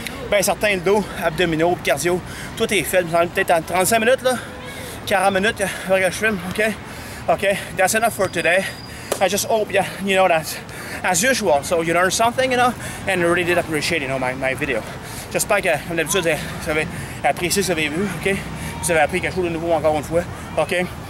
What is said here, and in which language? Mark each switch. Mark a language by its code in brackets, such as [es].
[fr] Ben certains, le dos, abdominaux, cardio, tout est fait. Peut-être en 35 minutes, là, 40 minutes, avant que je filme, ok? [en] Ok, that's enough for today. I just hope you know that, as usual, so you learned something, you know, and really did appreciate, you know, my video. [fr] J'espère que, comme d'habitude, vous avez apprécié ce que vous avez vu, ok? Vous avez appris quelque chose de nouveau encore une fois, ok?